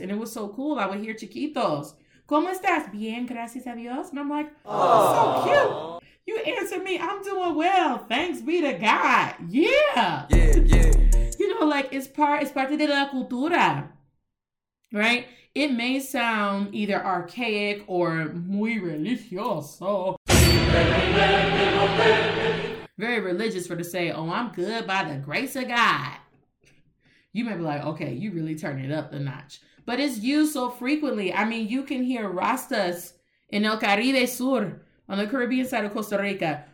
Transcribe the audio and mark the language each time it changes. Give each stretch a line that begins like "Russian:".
English: And it was so cool. I would hear
Spanish: chiquitos, ¿cómo estás? Bien, gracias a Dios.
English: And I'm like, oh, so cute. You answer me, I'm doing well. Thanks be to God. Yeah. Yeah, yeah. You know, like it's part
Spanish: de la cultura,
English: right? It may sound either archaic or
Spanish: muy religioso.
English: Very religious for to say, oh, I'm good by the grace of God. You may be like, okay, you really turn it up a notch. But it's used so frequently. I mean, you can hear Rastas in El Caribe Sur on the Caribbean side of Costa Rica.